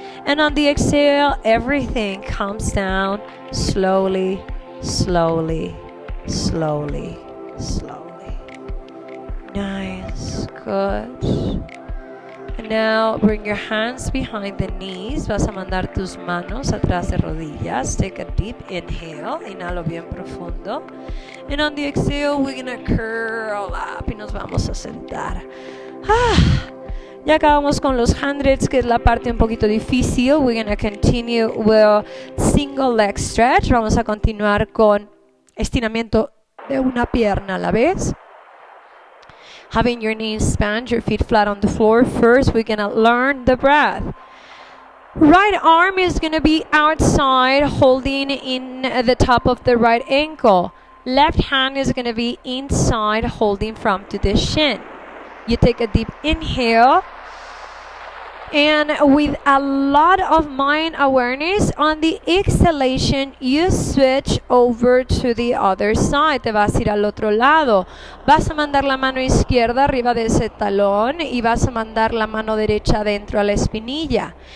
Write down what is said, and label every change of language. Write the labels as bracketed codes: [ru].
[en] And on the exhale, everything comes down slowly. Slowly, slowly, slowly. Nice, good. And now bring your hands behind the knees. [es] Vas a mandar tus manos atrás de rodillas. [en] Take a deep inhale. [es] Inhalo bien profundo. [en] And on the exhale, we're gonna curl up. [es] Y nos vamos a sentar. [en] Ah. [es] Ya acabamos con los handrails, que es la parte un poquito difícil. [en] We're going to continue with single leg stretch. [es] Vamos a continuar con estiramiento de una pierna a la vez. [en] Having your knees bent, your feet flat on the floor. First, we're going to learn the breath. Right arm is going to be outside, holding in the top of the right ankle. Left hand is going to be inside, holding from to the shin. You take a deep inhale. And with a lot of mind awareness, on the exhalation, you switch over to the other side. [es] Te vas a ir al otro lado. Vas a mandar la mano izquierda arriba de ese talón y vas a mandar la mano derecha dentro a la espinilla.